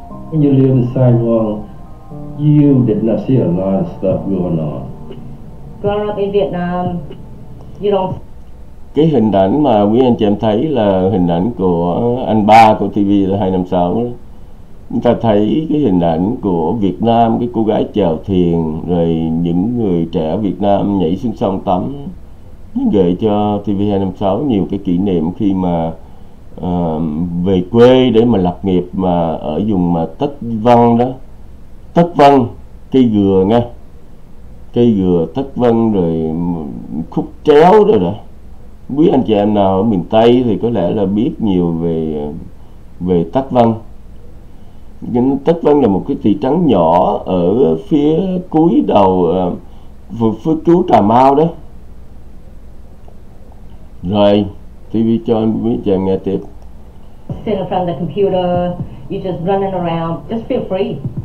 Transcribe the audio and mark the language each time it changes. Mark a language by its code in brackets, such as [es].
[en] When you live in Saigon, you did not see a lot of stuff going on. Growing up in Vietnam, you don't. [vi] Cái hình ảnh mà quý anh chị em thấy là hình ảnh của anh ba của TV là 256. Chúng ta thấy cái hình ảnh của Việt Nam, cái cô gái chèo thuyền, rồi những người trẻ Việt Nam nhảy xuống sông tắm, gợi cho TV256 nhiều cái kỷ niệm khi mà về quê để mà lập nghiệp, mà ở vùng mà Tất Vân đó. Tất Vân, cây dừa nghe. Cây dừa Tất Vân rồi khúc tréo rồi đó. Quý anh chị em nào ở miền Tây thì có lẽ là biết nhiều về Tất Vân. Nhưng Tất Vân là một cái thị trấn nhỏ ở phía cuối đầu phía cuối Cà Mau đó. Rồi TV cho em biết cho em nghe tiếp. [en] Sitting in front of the computer, you just running around, just feel free.